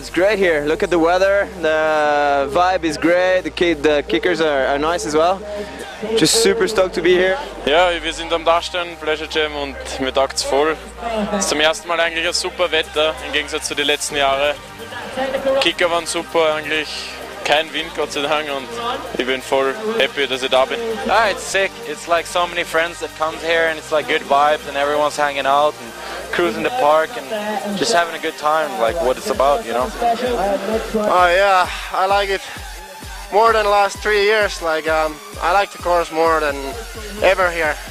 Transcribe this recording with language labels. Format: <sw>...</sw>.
<en>Here, look at the weather, the vibe is great, the kickers are nice as well. Just super stoked to be here.</en> <de>Ja, wir sind am Dachstein, Pleasure Jam, und mir taugt's voll. Es ist zum ersten Mal eigentlich ein super Wetter, im Gegensatz zu den letzten Jahren. Kicker waren super, eigentlich kein Wind, Gott sei Dank, und ich bin voll happy, dass ich da bin.</de> <en>Ah, it's sick, it's like so many friends that come here and it's like good vibes and everyone's hanging out and cruising the park and just having a good time, like what it's about, you know? Oh yeah, I like it more than last 3 years. Like I like the course more than ever here.</en>